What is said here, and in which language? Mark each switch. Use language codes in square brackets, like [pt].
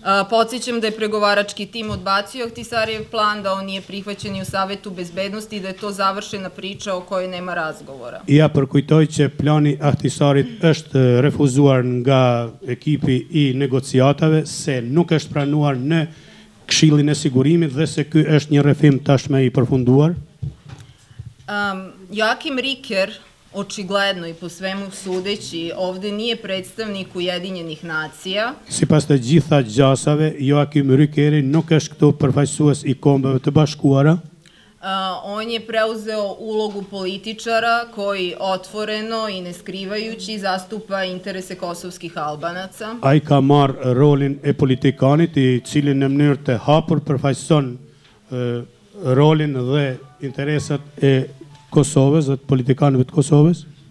[sr] Podsjećam da je pregovarački tim odbacio Ahtisarijev plan, da on nije prihvaćen i u Savetu bezbednosti i da je to završena priča o kojoj nema razgovora. [sq] Ja përkujtoj që plani Ahtisarit është refuzuar nga ekipi i negociatave, se nuk është pranuar në Këshillin e Sigurimit dhe se ky është një rrëfim tashmë i përfunduar? [sr] Joakim Riker, očigledno i po svemu sudeći, ovde nije predstavnik Ujedinjenih nacija. [sq] Si pas të gjitha gjasave, Joakim Rikeri nuk është këtu përfaqësues i Kombeve të Bashkuara? [sr] On je preuzeo ulogu političara koji otvoreno i ne skrivajući zastupa interese kosovskih Albanaca. [sq] A i ka marë rolin e politikanit i cilin në mënyrë të hapur përfaqëson rolin dhe interesat e Kosovës dhe politikanëve të Kosovës?